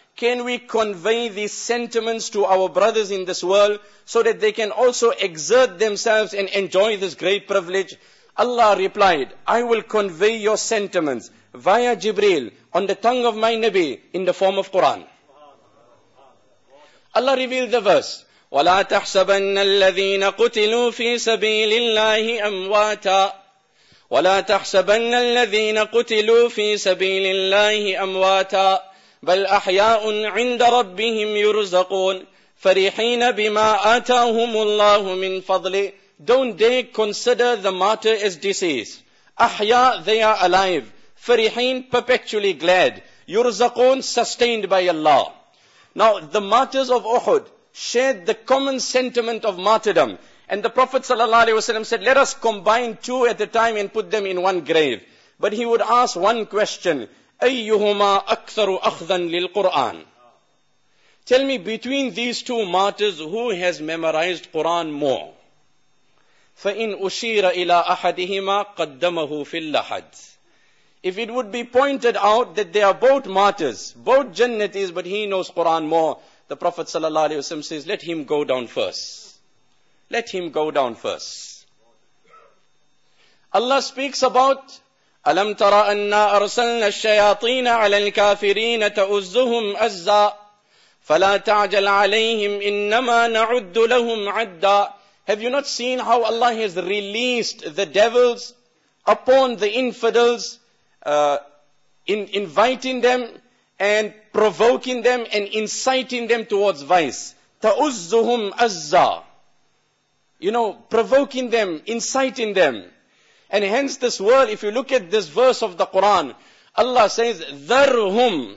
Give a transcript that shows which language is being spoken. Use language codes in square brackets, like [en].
[en] Can we convey these sentiments to our brothers in this world so that they can also exert themselves and enjoy this great privilege? Allah replied, I will convey your sentiments via Jibreel on the tongue of my Nabi in the form of Quran. Allah revealed the verse, [ar] وَلَا تَحْسَبَنَّ الَّذِينَ قُتِلُوا فِي سَبِيلِ اللَّهِ أَمْوَاتًا وَلَا تَحْسَبَنَّ الَّذِينَ قُتِلُوا فِي سَبِيلِ اللَّهِ أَمْوَاتًا بَلْ أَحْيَاءٌ عِنْدَ رَبِّهِمْ يُرْزَقُونَ فَرِحِينَ بِمَا آتَاهُمُ اللَّهُ مِنْ فَضْلِ. [en] Don't they consider the martyr as deceased. أحياء, they are alive. فرحين, perpetually glad. يرزقون, sustained by Allah. Now, the martyrs of Uhud shared the common sentiment of martyrdom. And the Prophet sallallahu alaihi wasallam said, let us combine two at a time and put them in one grave. But he would ask one question, [ar] أَيُّهُمَا أَكْثَرُ أَخْذًا لِلْقُرْآنِ. [en] Tell me, between these two martyrs, who has memorized Quran more? [ar] فَإِنْ أُشِيرَ إِلَىٰ أَحَدِهِمَا قَدَّمَهُ فِي اللَّحَدِ. [en] If it would be pointed out that they are both martyrs, both jannatis, but he knows Quran more, the Prophet sallallahu alaihi wasallam says, let him go down first. Let him go down first. Allah speaks about, [ar] أَلَمْ تَرَ أَنَّا أَرْسَلْنَا الشَّيَاطِينَ عَلَى الْكَافِرِينَ تَأُزُّهُمْ أَزَّا فَلَا تَعْجَلْ عَلَيْهِمْ إِنَّمَا نَعُدُّ لَهُمْ عَدَّا. [en] Have you not seen how Allah has released the devils upon the infidels, inviting them and provoking them and inciting them towards vice? [ar] تَأُزُّهُمْ أَزَّا. [en] You know, provoking them, inciting them. And hence this word, if you look at this verse of the Quran, Allah says, ذَرْهُمْ.